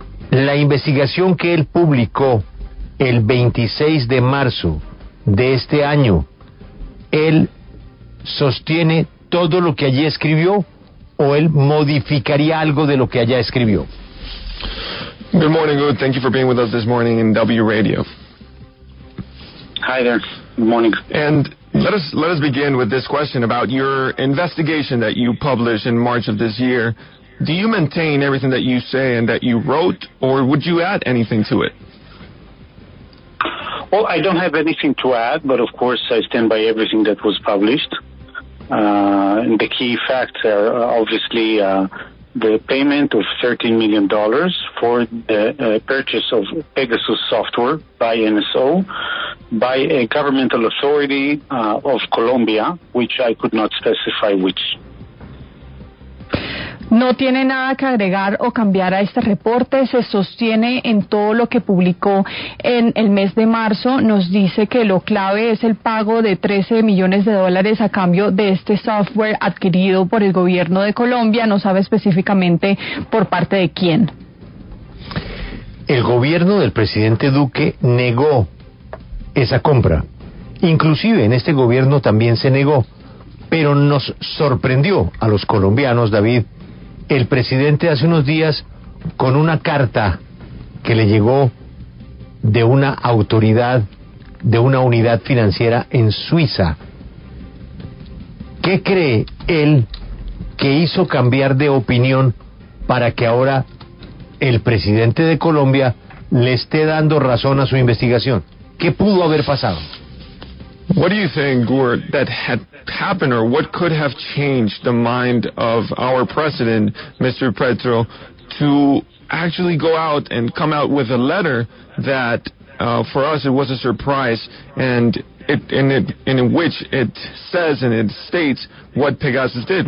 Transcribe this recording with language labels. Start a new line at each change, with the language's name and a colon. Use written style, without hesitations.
Spanish: La investigación que él publicó el 26 de marzo de este año, ¿él sostiene todo lo que allí escribió o él modificaría algo de lo que allá escribió?
English: Good morning, Gud. Thank you for being with us this morning in W Radio. Hi there. Good morning. And let us begin with this question about your investigation that you published in March of this year. Do you maintain everything that you say and that you wrote, or would you add anything to it? Well, I don't have anything to add, but of course I stand by everything that was published. And the key facts are obviously the payment of $13 million for the purchase of Pegasus software by NSO, by a governmental authority of Colombia, which I could not specify which.
Spanish: No tiene nada que agregar o cambiar a este reporte, se sostiene en todo lo que publicó en el mes de marzo, nos dice que lo clave es el pago de 13 millones de dólares a cambio de este software adquirido por el gobierno de Colombia, no sabe específicamente por parte de quién. El gobierno del presidente Duque negó esa compra, inclusive en este gobierno también se negó, pero nos sorprendió a los colombianos, David. El presidente hace unos días, con una carta que le llegó de una autoridad, de una unidad financiera en Suiza, ¿qué cree él que hizo cambiar de opinión para que ahora el presidente de Colombia le esté dando razón a su investigación? ¿Qué pudo haber pasado?
English: What do you think, Gord, that had happened, or what could have changed the mind of our president, Mr. Petro, to actually go out and come out with a letter that, for us, it was a surprise, and in which it says and it states what Pegasus did?